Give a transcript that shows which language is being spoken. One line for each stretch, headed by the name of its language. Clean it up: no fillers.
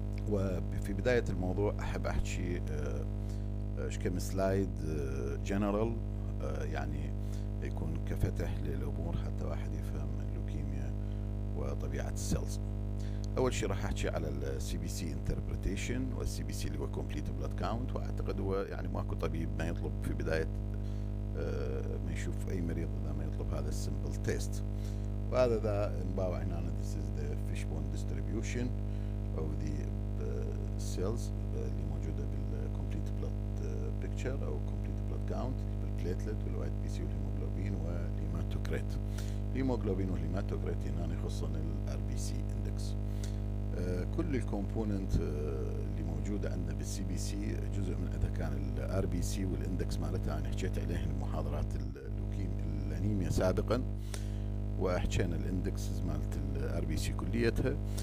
Arabic: وفي بداية الموضوع احب احكي كم سلايد جنرال، يعني يكون كفتح للامور حتى واحد يفهم اللوكيميا وطبيعة السيلز. اول شيء راح احكي على السي بي سي انتربريتيشن، والسي بي سي اللي هو كومبليت بلاد كاونت. واعتقد هو يعني ماكو طبيب ما يطلب في بداية ما يشوف اي مريض اذا ما يطلب هذا السمبل تيست. وهذا ذا انباوع هنا
English: this is the fishbone distribution of the cells
Arabic: اللي موجودة بالcomplete blood picture او complete blood count بالplatelet والوايت بي سي والهيموغلوبين والهيماتوكريت. الهيموغلوبين والهيماتوكريت هنا يخصون الار بي سي اندكس. كل الكومبوننت اللي موجودة عندنا بالسي بي سي جزء من اذا كان الار بي سي والاندكس مالتها انا حكيت عليه المحاضرات اللوكيم الانيميا سابقا، وحكينا الاندكس مالت الار بي سي كليتها.